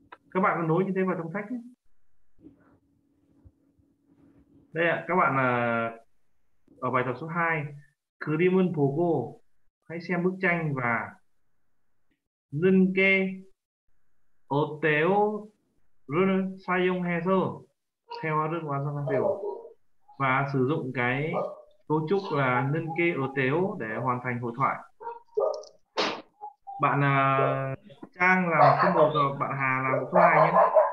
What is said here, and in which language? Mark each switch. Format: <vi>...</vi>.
<vi>Các bạn có nối như thế vào trong sách ấy. Đây ạ, các bạn ở bài tập số 2</vi> <ko>그림은 보고</ko> <vi>hãy xem bức tranh và</vi> <ko>는게 어때요? 를 사용해서 대화를 완성하세요.</ko> <vi>và sử dụng cái cấu trúc là</vi> <ko>는게 어때요</ko> <vi>để hoàn thành hội thoại. Bạn là Trang làm câu một rồi, bạn Hà làm câu hai nhé.</vi>